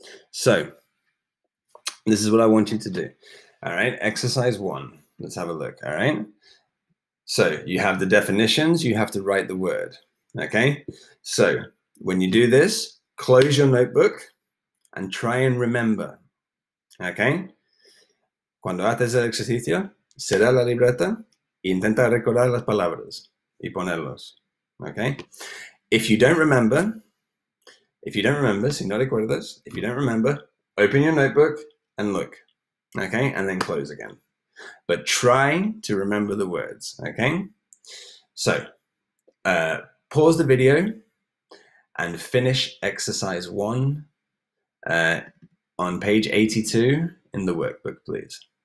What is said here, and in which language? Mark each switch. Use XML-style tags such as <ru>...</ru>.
<en>So this is what I want you to do. All right, exercise one. Let's have a look. All right. So you have the definitions, you have to write the word. Okay. So when you do this, close your notebook and try and remember. Okay.</en> <es>Cuando haces el ejercicio, cierra la libreta e intenta recordar las palabras y ponerlos.</es> <en>Okay. If you don't remember,</en> <es>si no recuerdas,</es> <en>if you don't remember, open your notebook and look, okay, and then close again. But try to remember the words, okay? So, pause the video and finish exercise one on page 82 in the workbook, please.</en>